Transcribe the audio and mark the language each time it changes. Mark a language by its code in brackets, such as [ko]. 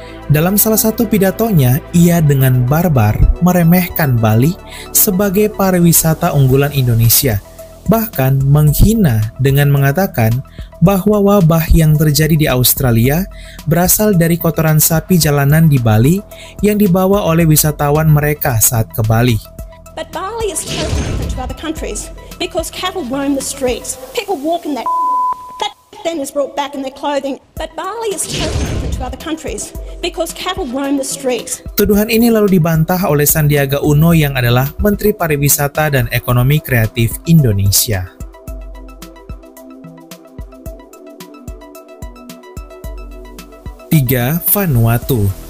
[id] Dalam salah satu pidatonya, ia dengan barbar meremehkan Bali sebagai pariwisata unggulan Indonesia. Bahkan menghina dengan mengatakan bahwa wabah yang terjadi di Australia berasal dari kotoran sapi jalanan di Bali yang dibawa oleh wisatawan mereka saat ke Bali. [en] But Bali is different to other countries because cattle roam the streets. People walk in that then is brought back in their clothing. But Bali is different to other countries because cattle roam the streets. [id] Tuduhan ini lalu dibantah oleh Sandiaga Uno yang adalah Menteri Pariwisata dan Ekonomi Kreatif Indonesia. 3. Vanuatu.